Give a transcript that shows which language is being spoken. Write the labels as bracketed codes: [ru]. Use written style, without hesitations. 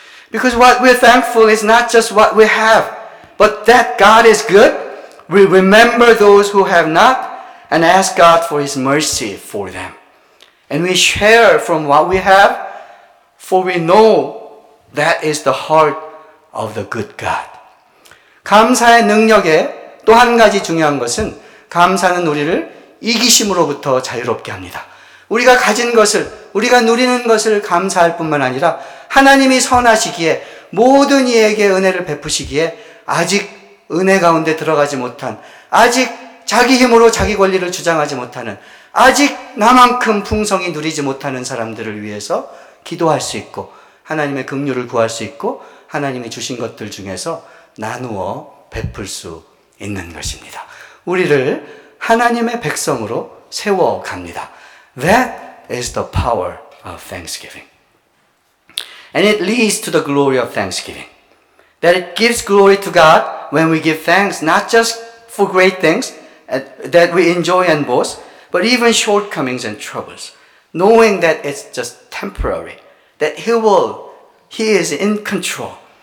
[en] Because what we're thankful is not just what we have, but that God is good, We remember those who have not and ask God for his mercy for them. And we share from what we have, for we know that is the heart of the good God. [ko] 감사의 능력에 또 한 가지 중요한 것은 감사는 우리를 이기심으로부터 자유롭게 합니다. 우리가 가진 것을, 우리가 누리는 것을 감사할 뿐만 아니라 하나님이 선하시기에 모든 이에게 은혜를 베푸시기에 아직 은혜 가운데 들어가지 못한, 아직 자기 힘으로 자기 권리를 주장하지 못하는, 아직 나만큼 풍성히 누리지 못하는 사람들을 위해서 기도할 수 있고 하나님의 긍휼을 구할 수 있고 하나님이 주신 것들 중에서 나누어 베풀 수 있는 것입니다. 우리를 하나님의 백성으로 세워갑니다. [en] That is the power of thanksgiving. And it leads to the glory of thanksgiving. That it gives glory to God when we give thanks, not just for great things that we enjoy and boast, but even shortcomings and troubles, knowing that it's just temporary, that He is in control.